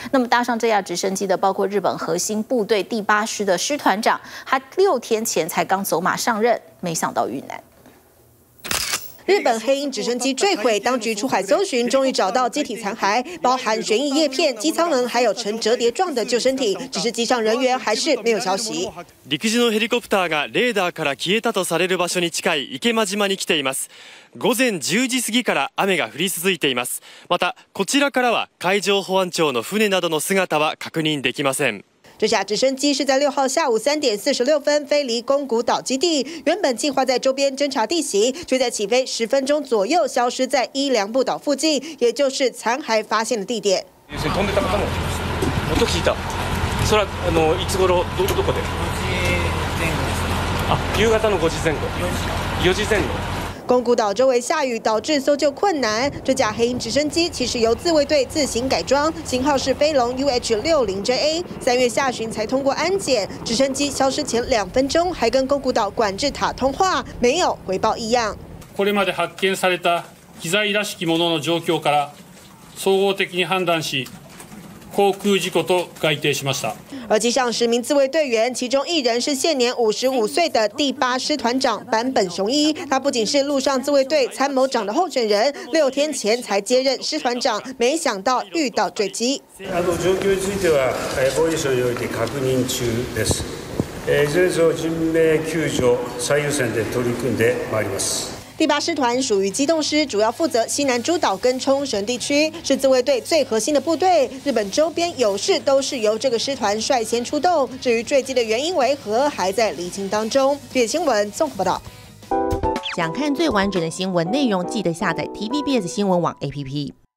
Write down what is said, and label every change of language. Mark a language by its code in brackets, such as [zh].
[zh] 那么搭上这架直升机的包括日本核心部队第八师的师团长，他六天前才刚走马上任，没想到遇难。日本黑鹰直升机坠毁，当局出海搜寻，终于找到机体残骸，包含旋翼叶片、机舱门，还有呈折叠状的救生艇。只是机上人员还是没有消息。 [ja] 陸自のヘリコプターがレーダーから消えたとされる場所に近い池間島に来ています。午前10時過ぎから雨が降り続いています。またこちらからは海上保安庁の船などの姿は確認できません。 [zh] 这架直升机是在6号下午3:46飞离宫古岛基地，原本计划在周边侦察地形，却在起飞10分钟左右消失在伊良部岛附近，也就是残骸发现的地点。 [ja] 飛んでたかも。音聞いた。それはあのいつ頃どこどこで？夕方の5時前後。4時前後。 [zh] 宫古岛周围下雨导致搜救困难，这架黑鹰直升机其实由自卫队自行改装，型号是飞龙 UH-60JA， 三月下旬才通过安检，直升机消失前两分钟还跟宫古岛管制塔通话，没有回报异样。 [ja] これまで発見された機材らしきものの状況から総合的に判断し航空事故と該定しました。 [zh] 而机上十名自卫队员，其中一人是现年55岁的第八师团长坂本雄一。他不仅是陆上自卫队参谋长的候选人，六天前才接任师团长，没想到遇到坠机。 [ja] あの状況については防衛省において確認中です。全捜人命救助最優先で取り組んでまいります。 [zh] 第八师团属于机动师，主要负责西南诸岛跟冲绳地区，是自卫队最核心的部队。日本周边有事都是由这个师团率先出动。至于坠机的原因为何，还在厘清当中。TVBS新闻综合报道。想看最完整的新闻内容，记得下载 TVBS 新闻网 APP。